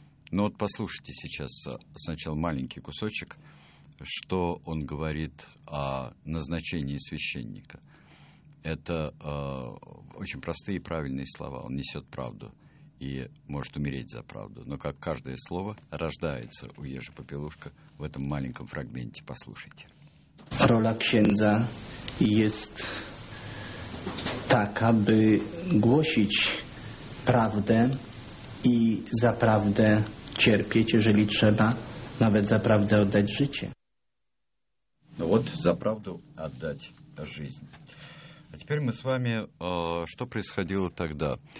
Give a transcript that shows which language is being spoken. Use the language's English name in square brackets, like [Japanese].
[Russian] Но вот послушайте сейчас сначала маленький кусочек, что он говорит о назначении священника. Это очень простые и правильные слова. Он несет правду и может умереть за правду. Но как каждое слово рождается у Ежи Попелушка в этом маленьком фрагменте. Послушайте. [Polish] Роля księdza jest taka, by głosić prawdę i za prawdę cierpieć, jeżeli trzeba, nawet za prawdę oddać życie. [Russian] Ну вот, за правду отдать жизнь. А теперь мы с вами, что происходило тогда?